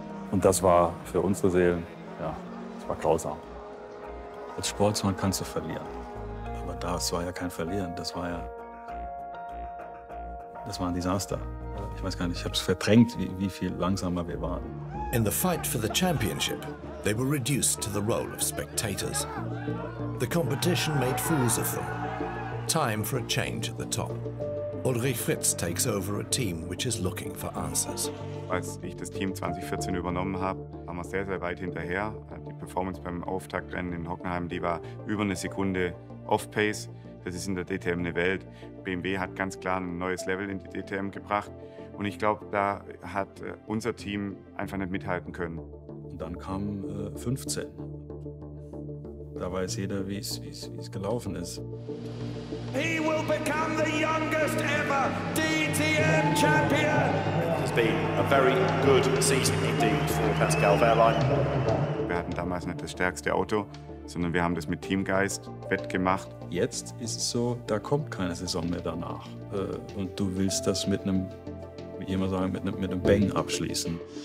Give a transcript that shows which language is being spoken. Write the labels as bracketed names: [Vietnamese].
[German] Und das war für unsere Seelen, ja, das war grausam. Als Sportsmann kannst du verlieren. Aber das war ja kein Verlieren, das war ja. Das war ein Desaster. Ich weiß gar nicht, ich habe es verdrängt, wie viel langsamer wir waren. [English] In the fight for the championship, they were reduced to the role of spectators. The competition made fools of them. Time for a change at the top. Ulrich Fritz takes over a team which is looking for answers. [German] Als ich das Team 2014 übernommen habe, waren wir sehr, sehr weit hinterher. Die Performance beim Auftaktrennen in Hockenheim, die war über eine Sekunde off-pace. Das ist in der DTM eine Welt. BMW hat ganz klar ein neues Level in die DTM gebracht. Und ich glaube, da hat unser Team einfach nicht mithalten können. Und dann kam 15. Da weiß jeder, wie es gelaufen ist. [English] He will become the youngest ever DTM champion. It has been a very good season indeed for Pascal Wehrlein. [German] Wir hatten damals nicht das stärkste Auto, sondern wir haben das mit Teamgeist wettgemacht. Jetzt ist es so, da kommt keine Saison mehr danach. Und du willst das mit einem, wie ich immer sage, mit einem Bang abschließen.